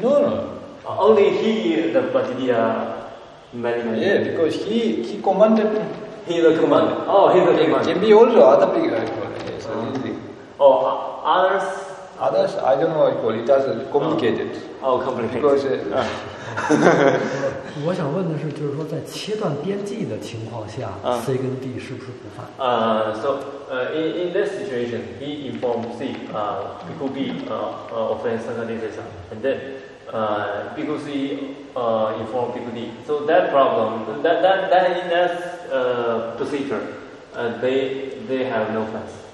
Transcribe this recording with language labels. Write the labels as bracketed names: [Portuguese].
[English] No. Only he the Pachitiya many. Yeah, because he commanded. He's the commander. Can be also other people. Others. Others, I don't know what you call it. It's complicated. Complicated. Because. [Chinese] 我想问的是，就是说在切断边际的情况下 ，C 跟 D 是不是不犯？ [English] So, in this situation, he informed C, Bhikkhu B, offend Sangha disaster, and then, Bhikkhu C, informed Bhikkhu D. So that problem, that in that procedure, they have no offense.